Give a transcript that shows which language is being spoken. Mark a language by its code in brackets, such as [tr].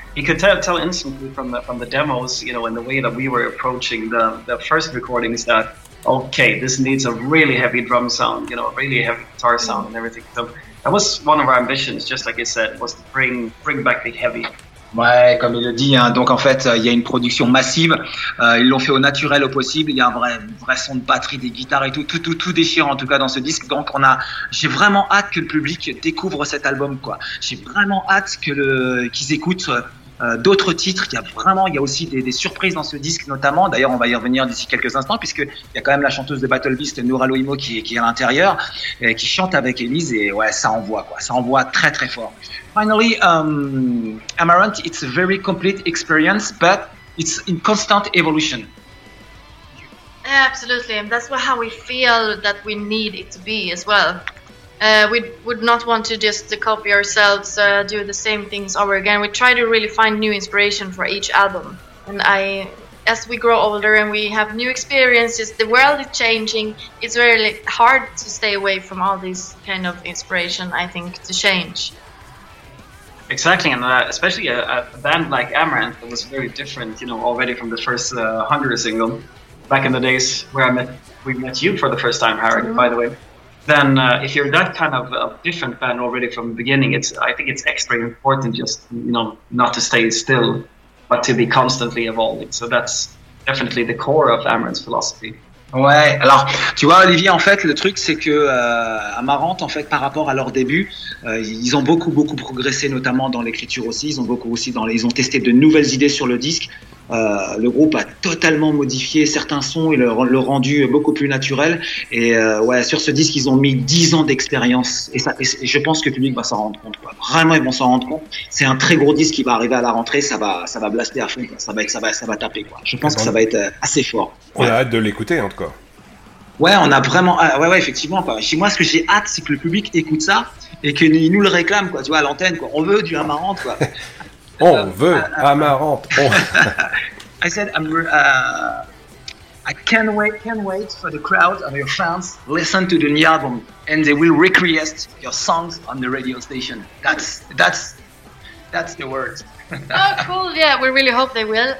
[en] He could tell instantly from the demos, you know, and the way that we were approaching the first recordings that, okay, this needs a really heavy drum sound, you know, a really heavy guitar sound and everything. So that was one of our ambitions, just like you said, was to bring back the heavy. [fr] Ouais, comme il le dit, hein. Donc en fait, il y a une production massive. Ils l'ont fait au naturel au possible. Il y a un vrai son de batterie, des guitares et tout déchirant en tout cas dans ce disque. Donc j'ai vraiment hâte que le public découvre cet album, quoi. J'ai vraiment hâte qu'ils écoutent d'autres titres. Il y a aussi des surprises dans ce disque, notamment. D'ailleurs, on va y revenir d'ici quelques instants, puisque il y a quand même la chanteuse de Battle Beast, Noura Loïmo, qui est à l'intérieur, qui chante avec Elise. Et ouais, ça envoie, quoi. Ça envoie très très fort. [en] Finally, Amaranth, it's a very complete experience, but it's in constant evolution. Yeah, absolutely, and that's how we feel that we need it to be as well. We would not want to just copy ourselves, do the same things over again. We try to really find new inspiration for each album. And as we grow older and we have new experiences, the world is changing. It's really hard to stay away from all this kind of inspiration, I think, to change. Exactly, and especially a band like Amaranth that was very different, you know, already from the first Hunger single back in the days where we met you for the first time, Harry, mm-hmm. by the way. Then if you're that kind of a different band already from the beginning, I think it's extra important just, you know, not to stay still, but to be constantly evolving. So that's definitely the core of Amaranth's philosophy. [fr] Ouais, alors tu vois Olivier, en fait le truc c'est que Amaranth, en fait, par rapport à leur début, ils ont beaucoup progressé, notamment dans l'écriture aussi. Ils ont testé de nouvelles idées sur le disque. Le groupe a totalement modifié certains sons et le rendu beaucoup plus naturel. Et ouais, sur ce disque ils ont mis 10 ans d'expérience et je pense que le public va s'en rendre compte, quoi. Vraiment, ils vont s'en rendre compte. C'est un très gros disque qui va arriver à la rentrée. Ça va blaster à fond, quoi. Ça va taper, quoi. Je pense que ça va être assez fort. On a hâte de l'écouter, en tout cas. Ouais, on a vraiment, ouais, effectivement, quoi. Moi, ce que j'ai hâte, c'est que le public écoute ça et qu'il nous le réclame, quoi. Tu vois, à l'antenne, quoi. On veut du Amaranth, quoi. On veut Amaranth. [en] I said, I can't wait for the crowd of your fans listen to the new album and they will recreate your songs on the radio station. That's the word. Oh, cool. Yeah, we really hope they will.